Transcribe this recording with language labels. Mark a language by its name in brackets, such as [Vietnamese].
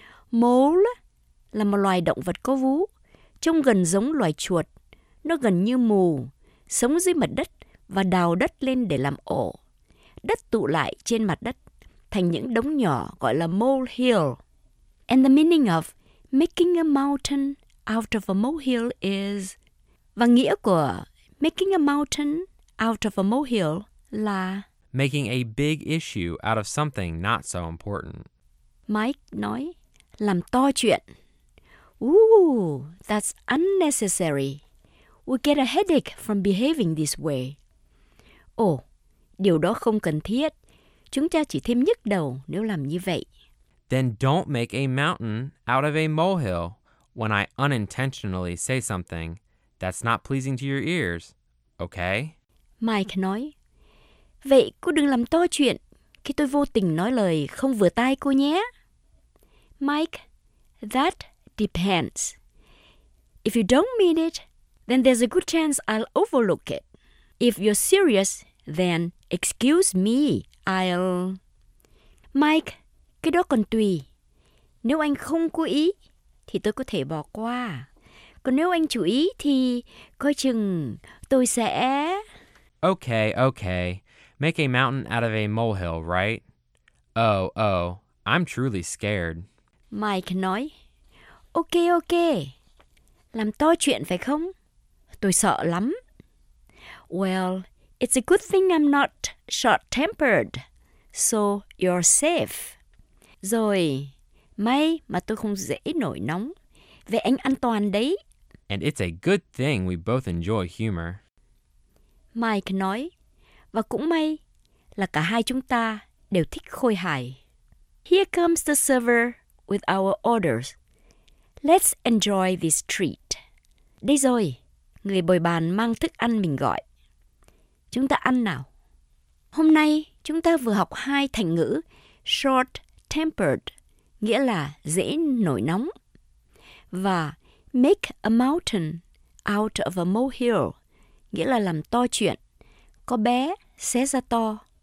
[Vietnamese] Mole là một loài động vật có vú, trông gần giống loài chuột. Nó gần như mù, sống dưới mặt đất và đào đất lên để làm ổ. Đất tụ lại trên mặt đất thành những đống nhỏ gọi là molehill. [English] And the meaning of making a mountain out of a molehill is... [Vietnamese] Và nghĩa của [English] making a mountain out of a molehill [Vietnamese] là [English] making a big issue out of something not so important. [Vietnamese] Mike nói, làm to chuyện. [English] Ooh, that's unnecessary. We get a headache from behaving this way. [Vietnamese] Ồ, điều đó không cần thiết. Chúng ta chỉ thêm nhức đầu nếu làm như vậy. [English] Then don't make a mountain out of a molehill when I unintentionally say something that's not pleasing to your ears, okay? [Vietnamese] Mike nói, vậy cô đừng làm to chuyện khi tôi vô tình nói lời không vừa tai cô nhé. [English] Mike, that depends. If you don't mean it, then there's a good chance I'll overlook it. If you're serious, then excuse me, I'll... [Vietnamese] Mike, cái đó còn tùy. Nếu anh không cố ý, thì tôi có thể bỏ qua. Còn nếu anh chú ý, thì coi chừng tôi sẽ... [English] Okay, okay. Make a mountain out of a molehill, right? Oh, I'm truly scared. [Vietnamese] Mike nói, okay, okay. Làm to chuyện phải không? Tôi sợ lắm. Well, it's a good thing I'm not short-tempered, so you're safe. Rồi, may mà tôi không dễ nổi nóng. Vậy anh an toàn đấy. And it's a good thing we both enjoy humor. Mike nói, và cũng may là cả hai chúng ta đều thích khôi hài. Here comes the server with our orders. Let's enjoy this treat. Đây rồi, người bồi bàn mang thức ăn mình gọi. Chúng ta ăn nào. Hôm nay, chúng ta vừa học hai thành ngữ short-tempered, nghĩa là dễ nổi nóng, và [English] make a mountain out of a molehill, [Vietnamese] nghĩa là làm to chuyện, có bé xé ra to.